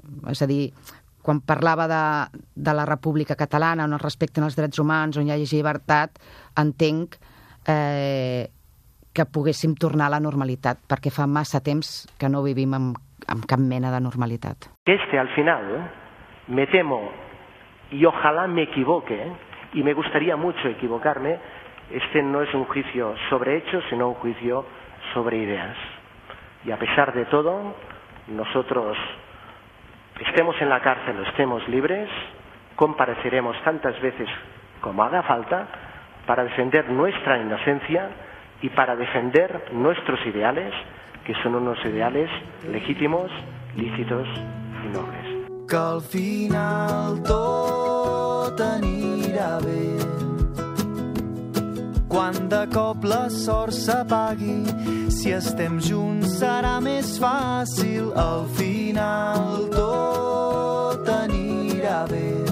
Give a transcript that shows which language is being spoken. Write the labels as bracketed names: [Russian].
[Catalan] És a dir, quan parlava de la República Catalana, on es respecten els drets humans, on hi hagi llibertat, entenc que poguéssim tornar a la normalitat, perquè fa massa temps que no vivim amb cap mena de normalitat. [Spanish] Este, al final, me temo, y ojalá me equivoque, y me gustaría mucho equivocarme, este no es un juicio sobre hechos, sino un juicio sobre ideas. Y a pesar de todo, nosotros... Estemos en la cárcel o estemos libres, compareceremos tantas veces como haga falta para defender nuestra inocencia y para defender nuestros ideales, que son unos ideales legítimos, lícitos y nobles. [Catalan] Que al final tot anirà bé, quan de cop la sort s'apagui, si estem junts serà més fàcil, al final tot anirà bé.